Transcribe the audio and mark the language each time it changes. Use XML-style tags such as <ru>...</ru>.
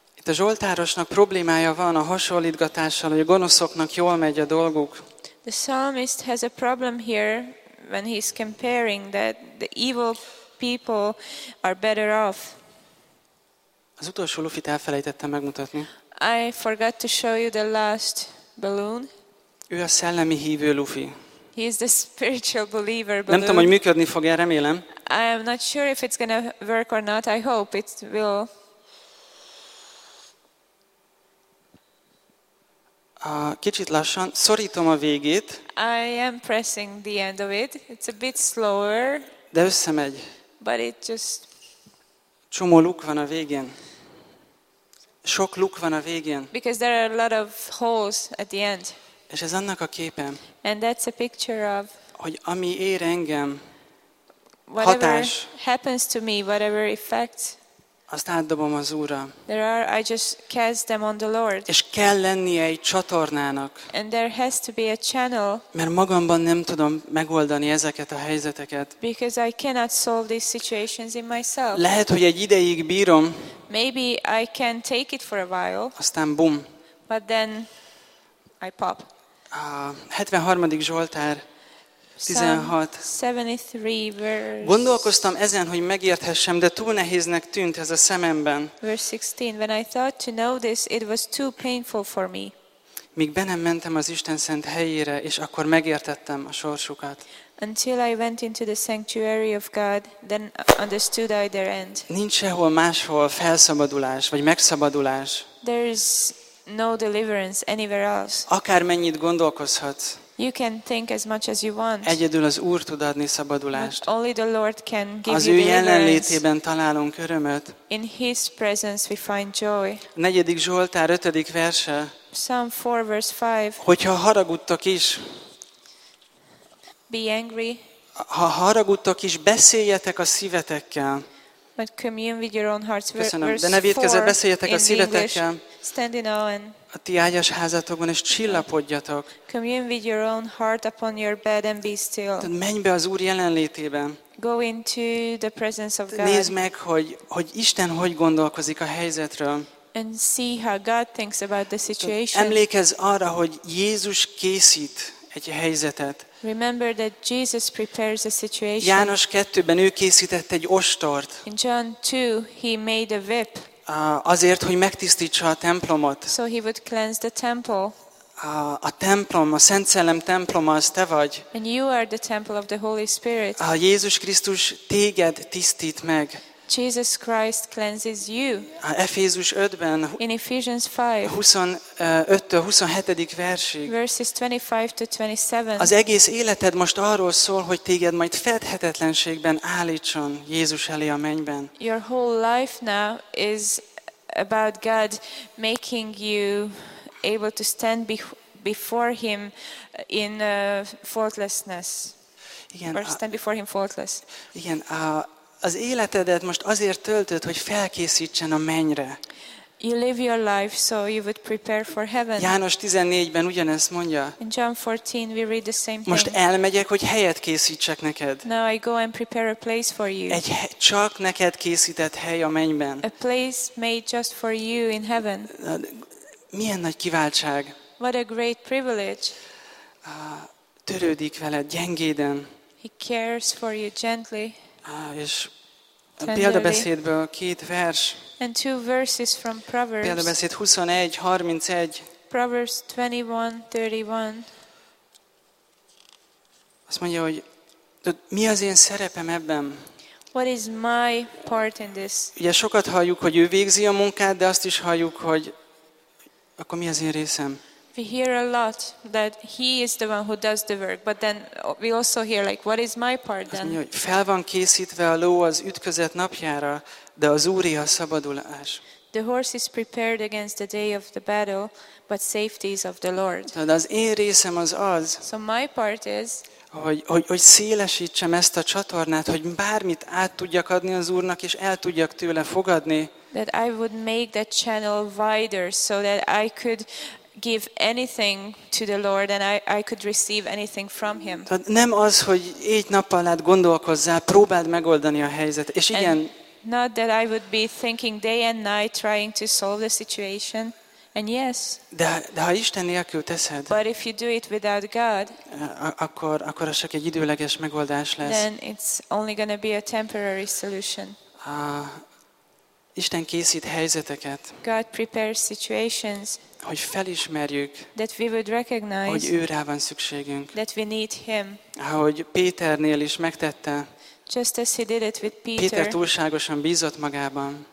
<hu>Itt a zsoltárosnak problémája van a hasonlítgatással, hogy a gonoszoknak jól megy a dolguk.</hu> <en>The psalmist has a problem here when he's comparing that the evil people are better off.</en> <hu>Az utolsó lufit elfelejtettem megmutatni.</hu> <en>I forgot to show you the last balloon.</en> <hu>Ő a szellemi hívő lufi.</hu> <en>He is the spiritual believer balloon.</en> <hu>Nem tudom, hogy működni fog-e, remélem.</hu> <en>I am not sure if it's gonna work or not. I hope it will.</en> <hu>Kicsit lassan, szorítom a végét.</hu> <en>I am pressing the end of it. It's a bit slower.</en> <hu>De összemegy.</hu> <en>But it just.</en> <hu>Csomó luk van a végén. Sok luk van a végén.</hu> <en>Because there are a lot of holes at the end.</en> <hu>És ez annak a képe.</hu> <en>And that's a picture of.</en> <hu>Hogy ami ér engem.</hu> <en>Whatever</en> <hu>hatás,</hu> <en>happens to me, whatever effects.</en> <hu>Azt átdobom az Úrra.</hu> <en>There are, I just cast them on the Lord.</en> <hu>És kell lennie egy csatornának.</hu> <en>And there has to be a channel.</en> <hu>Mert magamban nem tudom megoldani ezeket a helyzeteket.</hu> <en>Because I cannot solve these situations in myself.</en> <hu>Lehet, hogy egy ideig bírom.</hu> <en>Maybe I can take it for a while.</en> <hu>Aztán boom.</hu> <en>But then I pop.</en> <hu>73. Zsoltár 16.</hu> <en>Psalm 73 verse.</en> <hu>Gondolkoztam ezen, hogy megérthessem, de túl nehéznek tűnt ez a szememben.</hu> <en>Verse 16. When I thought to know this, it was too painful for me.</en> <hu>míg be nem mentem az Isten szent helyére, és akkor megértettem a sorsukat.</hu> <en>Until I went into the sanctuary of God, then understood I their end.</en> <hu>Nincs sehol máshol felszabadulás vagy megszabadulás.</hu> <en>There is no deliverance anywhere else.</en> <hu>Akármennyit gondolkozhatsz.</hu> <en>You can think as much as you want.</en> <hu>Egyedül az Úr tud adni szabadulást.</hu> <en>But only the Lord can give</en> <hu>az</hu> <en>you deliverance.</en> <hu>Az ő jelenlétében találunk örömet.</hu> <en>In His presence we find joy.</en> <hu>A 4. Zsoltár 5. verse.</hu> <en>Psalm 4 verse 5.</en> <hu>Hogyha haragudtak is.</hu> <en>Be angry.</en> <hu>Ha haragudtok is, beszéljetek a szívetekkel.</hu> <en>But commune with your own hearts.</en> <hu>Köszönöm. De ne védkezve, beszéljetek a szívetekkel.</hu> <en>Stand in awe.</en> <hu>A ti ágyas házatokban és csillapodjatok.</hu> <en>Commune with your own heart upon your bed and be still.</en> <hu>Tehát menj be az Úr jelenlétében.</hu> <en>Go into the presence of God.</en> <hu>Nézd meg, hogy Isten hogy gondolkozik a helyzetről.</hu> <en>And see how God thinks about the situation.</en> <hu>Emlékezz arra, hogy Jézus készít egy helyzetet.</hu> <en>Remember that Jesus prepares a situation.</en> <hu>János 2-ben ő készített egy ostort.</hu> <en>In John 2 he made a whip.</en> <hu>Azért, hogy megtisztítsa a templomot.</hu> <en>So he would cleanse the temple.</en> <hu>A templom, a Szent Szellem temploma az te vagy.</hu> <en>And you are the temple of the Holy Spirit.</en> <hu>A Jézus Krisztus téged tisztít meg.</hu> <en>Jesus Christ cleanses you.</en> <hu>Efézus 5-ben.</hu> <en>In Ephesians 5.</en> <hu>25-től 27. versig.</hu> <en>Verses 25 to 27.</en> <hu>Az egész életed most arról szól, hogy téged majd fedhetetlenségben állítson Jézus elé a mennyben.</hu> <en>Your whole life now is about God making you able to stand before him in faultlessness.</en> <hu>Igen.</hu> <en>Or stand before him faultless.</en> <hu>Igen. Az életedet most azért töltöd, hogy felkészítsen a mennyre.</hu> <en>You live your life so you would prepare for heaven.</en> <hu>János 14-ben ugyanezt mondja.</hu> <en>In John 14 we read the same thing.</en> <hu>Most elmegyek, hogy helyet készítsek neked.</hu> <en>Now I go and prepare a place for you.</en> <hu>Egy csak neked készített hely a mennyben.</hu> <en>A place made just for you in heaven.</en> <hu>Milyen nagy kiváltság.</hu> <en>What a great privilege.</en> <hu>Törődik veled gyengéden.</hu> <en>He cares for you gently.</en> <hu>És a példabeszédből két vers.</hu> <en>And two verses from Proverbs.</en> <hu>Példabeszéd 21:31.</hu> <en>Proverbs 21:31.</en> <hu>Azt mondja, hogy mi az én szerepem ebben?</hu> <en>What is my part in this?</en> <hu>Ugye sokat halljuk, hogy ő végzi a munkát, de azt is halljuk, hogy akkor mi az én részem?</hu> <en>We hear a lot that he is the one who does the work, but then we also hear like, what is my part then?</en> <hu>Mondja, hogy fel van készítve a ló az ütközet napjára, de az Úré a szabadulás.</hu> <en>The horse is prepared against the day of the battle, but safety is of the Lord.</en> <hu>De az én részem az az,</hu> <en>so my part is,</en> <hu>hogy szélesítsem ezt a csatornát, hogy bármit át tudjak adni az Úrnak, és el tudjak tőle fogadni.</hu> <en>That I would make that channel wider so that I could give anything to the Lord and I could receive anything from him.</en> <hu>Tehát nem az, hogy egy nappal át gondolkozzál, próbáld megoldani a helyzetet. És igen.</hu> <en>And not that I would be thinking day and night trying to solve the situation. And yes.</en> <hu>De ha Isten nélkül teszed.</hu> <en>But if you do it without God.</en> <hu>Akkor az csak egy időleges megoldás lesz.</hu> <en>Then it's only going to be a temporary solution.</en> <hu>Isten készít helyzeteket.</hu> <en>God prepares situations.</en> <hu>Hogy felismerjük,</hu> <en>that we would recognize,</en> <hu>hogy őre van szükségünk.</hu> <en>That we need him.</en> <hu>Ahogy Péternél is megtette.</hu> <en>Just as he did it with Peter.</en> <hu>Péter túlságosan bízott magában.</hu>